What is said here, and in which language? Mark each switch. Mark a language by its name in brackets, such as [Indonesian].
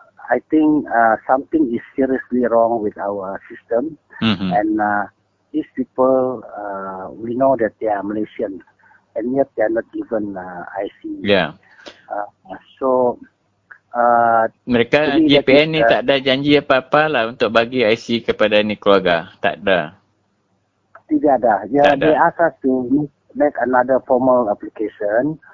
[English] I think something is seriously wrong with our system, and these people, we know that they are Malaysian, and yet they are not given IC. Yeah. So. [Malay] Mereka JPN ni tak ada janji apa-apa lah untuk bagi IC kepada ni keluarga. Tak ada. Tidak ada. Yeah, tak ada. [English] They asked us to make another formal application.